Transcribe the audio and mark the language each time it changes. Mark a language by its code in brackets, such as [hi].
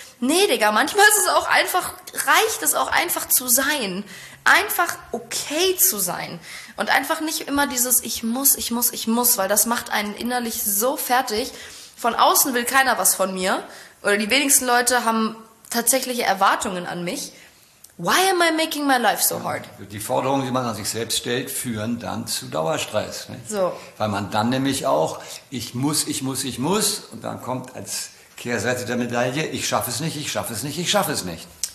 [de] Nee, Digga, manchmal ist es auch einfach, reicht es auch einfach zu sein. Einfach okay zu sein. Und einfach nicht immer dieses ich muss, weil das macht einen innerlich so fertig. Von außen will keiner was von mir. Oder die wenigsten Leute haben tatsächliche Erwartungen an mich. [en] Why am I making my life so hard? [de] Die Forderungen, die man an sich selbst stellt, führen dann zu Dauerstress. Ne? So. Weil man dann nämlich auch, ich muss, und dann kommt als Kehrseite der Medaille, ich schaffe es nicht.